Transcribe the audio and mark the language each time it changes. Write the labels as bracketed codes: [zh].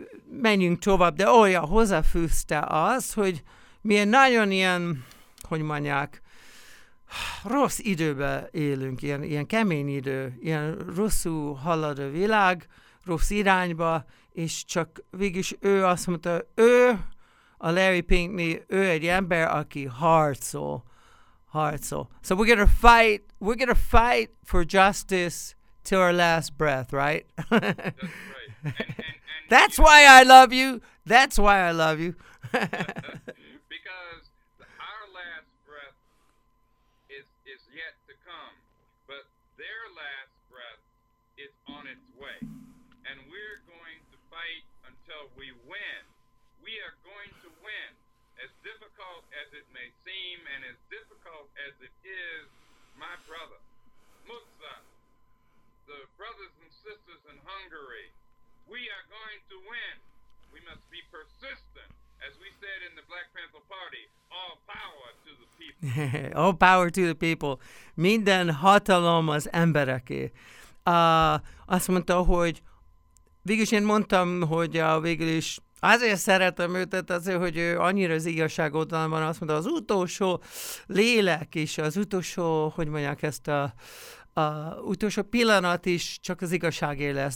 [hu] menjünk tovább, de olyan hozzáfűzte az, hogy milyen nagyon ilyen, hogy mondják, rossz időben élünk, ilyen kemény idő, ilyen rosszul halad a világ, rossz irányba, és csak végülis ő azt mondta, ő, a Larry Pinkney, ő egy ember, aki harcol. [en] So we're gonna fight for justice to our last breath, right? That's right. And that's why I love you. That's why I love you. Because our last breath is yet to come, but their last breath is on its way. And we're going to fight until we win. We are going to win. As difficult as it may seem, and as difficult as it is, my brother, Mukza, the brothers and sisters in Hungary, we are going to win. We must be persistent. As we said in the Black Panther Party, all power to the people. All power to the people. [hu] Minden hatalom az embereké. Azt mondta, hogy végülis én mondtam, hogy végülis azért szeretem őt, tehát azért, hogy ő annyira az igazságotlan van, azt mondta, az utolsó lélek is, az utolsó, hogy mondják ezt a utolsó pillanat is csak az igazságé lesz.